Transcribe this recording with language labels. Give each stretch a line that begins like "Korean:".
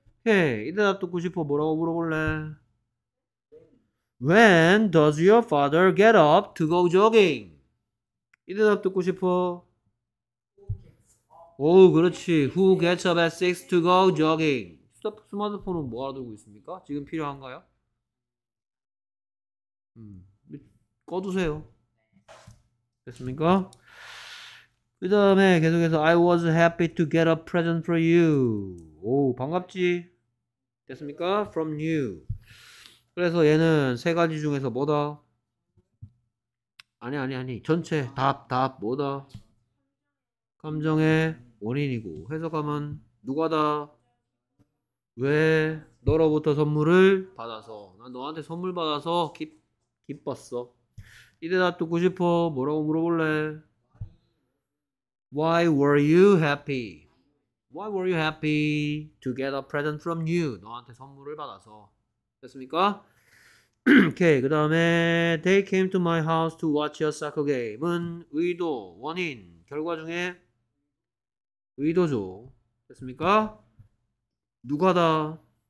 Korean: 오케이 이 대답 듣고 싶어 뭐라고 물어볼래?
English: When does your father get up to go jogging? 이 대답 듣고 싶어? 오 그렇지 Who gets up at 6 to go jogging?
Korean: 스마트폰은 뭐 알아두고 있습니까? 지금 필요한가요?
English: 꺼두세요 됐습니까? 그 다음에 계속해서 I was happy to get a present for you 오 반갑지? 됐습니까?
Korean: From you 그래서 얘는 세 가지 중에서 뭐다? 아니 전체 답 뭐다? 감정의 원인이고 해석하면 누가 다? 왜? 너로부터 선물을 받아서 난 너한테 선물 받아서 기뻤어 이 대답 듣고 싶어 뭐라고 물어볼래?
English: Why were you happy? Why were you happy to get a present from you?
Korean: 너한테 선물을 받아서 됐습니까? 오케이 그 다음에 They came to my house to watch a soccer game 은 의도, 원인, 결과 중에 의도죠 됐습니까? 누가 다?